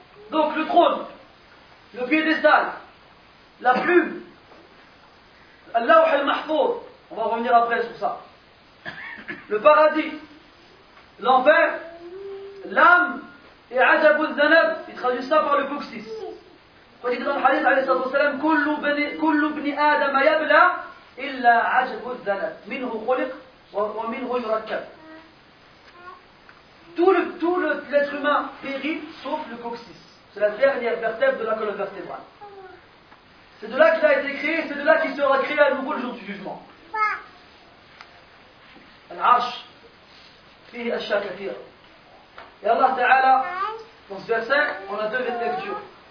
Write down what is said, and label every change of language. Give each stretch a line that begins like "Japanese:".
French: Donc le trône, le piédestal, la plume,
Arabic: اللوح المحفوظ,
French: on va revenir après sur ça. Le paradis, l'enfer, l'âme, et
Arabic: عَجَبُ الذَّنَبُ,
French: il traduit ça par le coccyx. Quand il dit dans le hadith,
Arabic: عليه الصلاة والسلام, كُلُّ بْنِ آدَمَ يَبْلَى إِلَّا عَجَبُ الذَّنَبُ مِنْهُ خُلِقْ وَمِنْهُ يُرَكَّبْ.
French: Tout l'être humain périt sauf le coccyx. C'est la dernière vertèbre de la colonne vertébrale. C'est de là qu'il a été créé, c'est de là qu'il sera créé à nouveau le jour du jugement. L'arche,
Arabic: fihi ash-shakir.
French: Et Allah Ta'ala, dans ce verset, on a deux lectures.